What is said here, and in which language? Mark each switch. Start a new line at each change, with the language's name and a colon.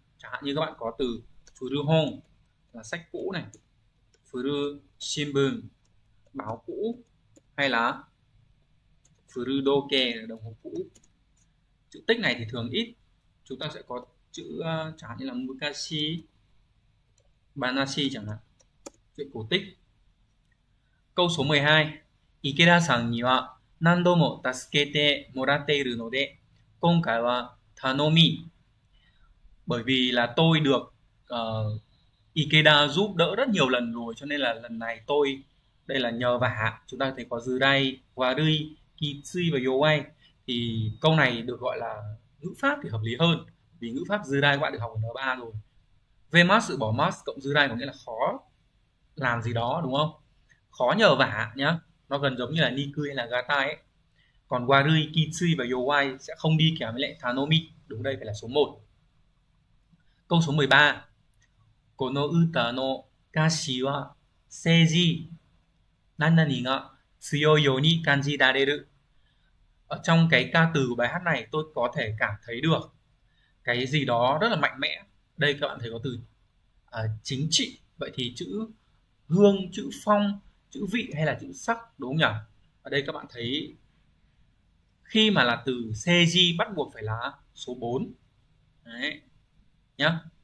Vietnamese: Chẳng hạn như các bạn có từ Furuhon là sách cũ này, Furu Shimbun báo cũ, hay là Furu Doke là đồng hồ cũ. Chữ tích này thì thường ít, chúng ta sẽ có chữ chẳng hạn như là Mukashi Banashi chẳng hạn, chuyện cổ tích.
Japanese: Câu số 12, Ikeda-san には何度も助けてもらっているので、今回は頼み。
Vietnamese: Bởi vì là tôi được Ikeda giúp đỡ rất nhiều lần rồi, cho nên là lần này tôi đây là nhờ vả. Chúng ta thấy có zurai, warui, kitsui và yowai, thì câu này được gọi là ngữ pháp thì hợp lý hơn, vì ngữ pháp zurai các bạn được học ở N3 rồi. Vemasu sự bỏ mas cộng zurai có nghĩa là khó làm gì đó, đúng không? Khó nhờ vả nhá, nó gần giống như là nikui hay là gata ấy. Còn warui, kitsui và yowai sẽ không đi kèm với lại tanomi. Đúng đây phải là số 1.
Japanese: Câu số 13, この歌の歌詞は政治何々が強いように感じられる。
Vietnamese: Ở trong cái ca từ của bài hát này tôi có thể cảm thấy được cái gì đó rất là mạnh mẽ. Đây các bạn thấy có từ chính trị. Vậy thì chữ hương, chữ phong, chữ vị hay là chữ sắc, đúng không nhỉ? Ở đây các bạn thấy khi mà là từ seiji bắt buộc phải là số 4. Đấy. Nhá.